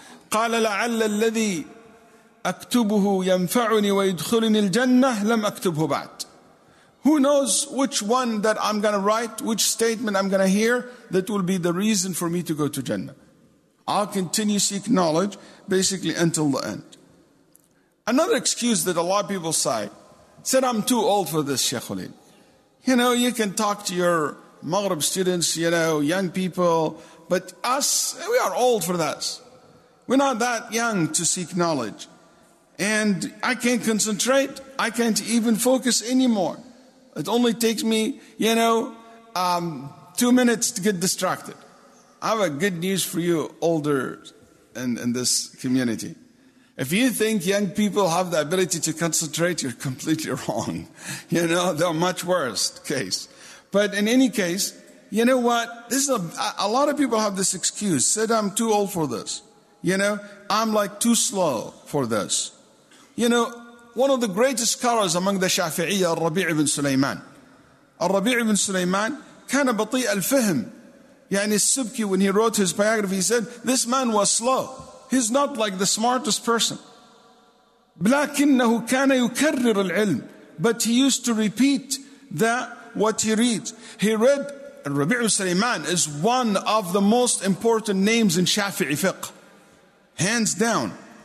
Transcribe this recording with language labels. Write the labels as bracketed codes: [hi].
[ar] قال لعل الذي أكتبه ينفعني ويدخلني الجنة لم أكتبه بعد. [en] Who knows which one that I'm going to write, which statement I'm going to hear that will be the reason for me to go to Jannah. I'll continue seek knowledge basically until the end. Another excuse that a lot of people say, said, I'm too old for this, Shaykh Waleed. You know, you can talk to your Maghrib students, you know, young people, but us, we are old for that. We're not that young to seek knowledge. And I can't concentrate. I can't even focus anymore. It only takes me, you know, 2 minutes to get distracted. I have a good news for you, older in this community. If you think young people have the ability to concentrate, you're completely wrong. You know, they're much worse case. But in any case, you know what? This is a lot of people have this excuse. Said, I'm too old for this. You know, I'm like too slow for this. You know, one of the greatest scholars among the Shafi'iyya, Rabi' ibn Sulaiman. [ar] Rabi' ibn Sulaiman, كان بطيء الفهم. يعني [en] السبكي, when he wrote his biography, he said, this man was slow. He's not like the smartest person. [ar] بلكنه كان يكرر العلم. [en] But he used to repeat that what he reads. He read, Rabi' ibn Sulaiman is one of the most important names in Shafi'i fiqh. Hands down.